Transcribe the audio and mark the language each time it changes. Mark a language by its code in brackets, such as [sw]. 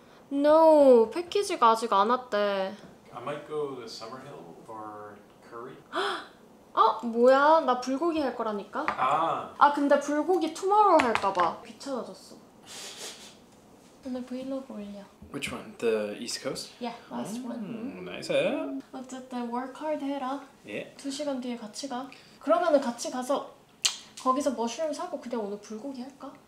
[ko] No, 패키지가 아직 안 왔대. [en] I might go to Summerhill for curry. [ko] 아, 뭐야? 나 불고기 할 거라니까. 아. 아, 근데 불고기 투모로우 할까 봐. 귀찮아졌어. 오늘 브이로그 올려. [en] Which one? The East Coast? Yeah, last one. Nice. [ko] 어쨌든 [en] work hard [ko] 해라. 예. [en] Yeah. [ko] 2시간 뒤에 같이 가. 그러면은 같이 가서 거기서 머쉬룸 사고 그냥 오늘 불고기 할까?